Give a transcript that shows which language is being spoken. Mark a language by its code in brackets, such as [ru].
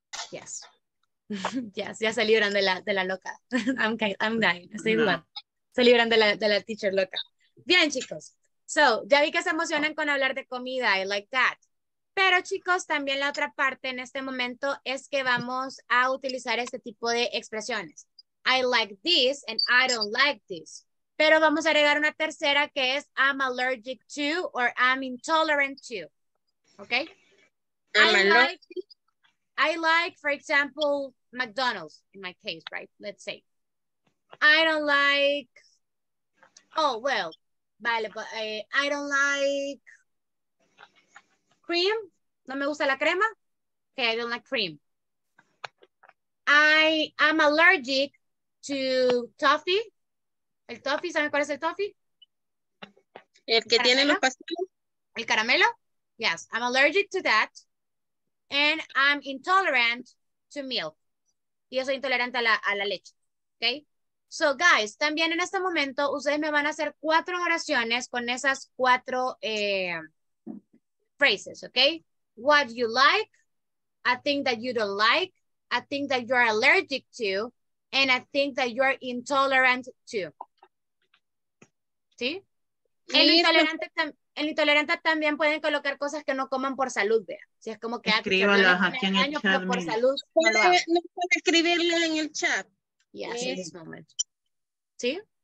[es] Yes. Yes, ya se libran de la loca. [en] I'm dying. [es] Estoy igual. No. Se libran de la teacher loca. Bien, chicos. So, ya vi que se emocionan con hablar de comida. [en] I like that. [es] Pero, chicos, también la otra parte en este momento es que vamos a utilizar este tipo de expresiones. [en] I like this and I don't like this. [es] Pero vamos a agregar una tercera que es [en] I'm allergic to or I'm intolerant to. [es] Okay? [en] I like, for example, McDonald's in my case, right? Let's say. I don't like, oh, well, vale, but I don't like cream. [es] No me gusta la crema. [en] Okay, I don't like cream. I'm allergic to toffee. [es] ¿El toffee? ¿Saben cuál es el toffee? El que caramelo. Tiene los pasteles. ¿El caramelo? [en] Yes, I'm allergic to that. And I'm intolerant to milk. [es] Y yo soy intolerante a la leche. Okay? So, guys, también en este momento, ustedes me van a hacer 4 oraciones con esas 4 phrases, okay? [en] What you like, a thing that you don't like, a thing that you're allergic to, and a thing that you're intolerant to. [es] ¿Sí? El intolerante también pueden colocar cosas que no coman por salud, vea. Si es como que... Escríbalo aquí en el chat. Por salud, no puede escribirlo en el chat. [en] Yes, in this moment. [es] ¿Sí?